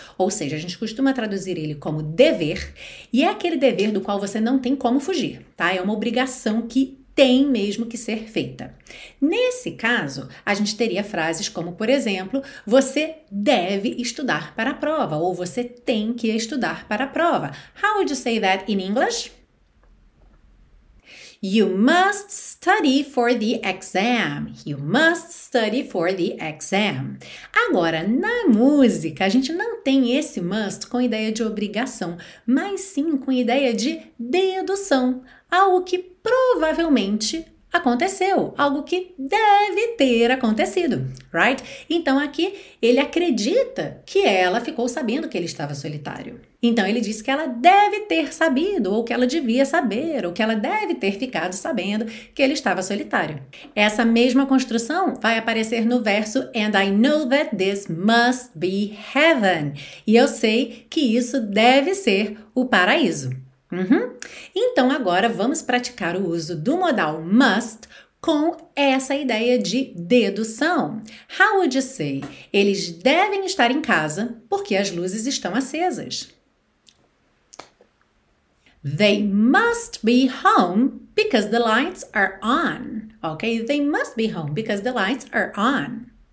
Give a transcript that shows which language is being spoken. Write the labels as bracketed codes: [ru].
[pt] Ou seja, a gente costuma traduzir ele como dever, e é aquele dever do qual você não tem como fugir, tá? É uma obrigação que tem mesmo que ser feita. Nesse caso, a gente teria frases como, por exemplo, você deve estudar para a prova, ou você tem que estudar para a prova. [en] How would you say that in English? You must study for the exam. You must study for the exam. [pt] Agora, na música, a gente não tem esse must com ideia de obrigação, mas sim com ideia de dedução, algo que provavelmente aconteceu, algo que deve ter acontecido, right? Então aqui ele acredita que ela ficou sabendo que ele estava solitário. Então ele diz que ela deve ter sabido, ou que ela devia saber, ou que ela deve ter ficado sabendo que ele estava solitário. Essa mesma construção vai aparecer no verso [en] And I know that this must be heaven. [pt] E eu sei que isso deve ser o paraíso. Então agora vamos praticar o uso do modal must com essa ideia de dedução. [en] How would you say? [pt] Eles devem estar em casa porque as luzes estão acesas. [en] They must be home because the lights are on. Okay? They must be home because the lights are on.